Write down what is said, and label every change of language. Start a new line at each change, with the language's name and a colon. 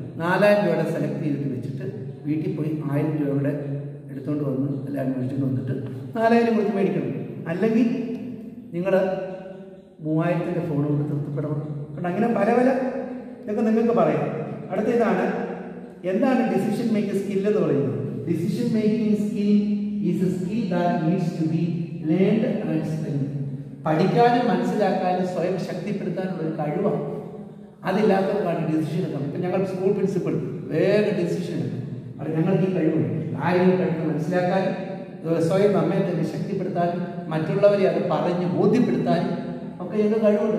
Malayalam: 4000 രൂപയുടെ സെലക്ട് ചെയ്തിട്ട് വെച്ചിട്ട് വീട്ടിൽ പോയി 1000 രൂപയുടെ എടുത്തുകൊണ്ട് വന്ന് എല്ലാവരും മേടിച്ചിട്ട് വന്നിട്ട് 4000 കൊടുത്ത് മേടിക്കണം. അല്ലെങ്കിൽ നിങ്ങൾ 3000 ഫോൺ കൊണ്ട് തൃപ്തിപ്പെടണം. കണ്ട, അങ്ങനെ പല പല ഇതൊക്കെ നിങ്ങൾക്ക് പറയാം. അടുത്തതാണ് എന്താണ് ഡിസിഷൻ മേക്കിംഗ് സ്കില്ല് എന്ന് പറയുന്നത്. Decision making skill
English: is a skill that needs to be learned and strengthened.
Malayalam: പഠിക്കാനും മനസ്സിലാക്കാനും സ്വയം ശക്തിപ്പെടുത്താനുള്ള ഒരു കഴിവാണ്. അതില്ലാത്തവർക്കാണ് ഡിസിഷൻ എടുക്കണം. ഇപ്പം ഞങ്ങൾ സ്കൂൾ പ്രിൻസിപ്പൾ വേറെ ഡിസിഷൻ എടുക്കും. അത് ഞങ്ങൾക്ക് ഈ കഴിവുണ്ട്. ആരെയും കഴിവ് മനസ്സിലാക്കാനും സ്വയം നമ്മെ തന്നെ ശക്തിപ്പെടുത്താനും മറ്റുള്ളവരെ അത് പറഞ്ഞ് ബോധ്യപ്പെടുത്താനും ഒക്കെ ഞങ്ങൾ കഴിവുണ്ട്.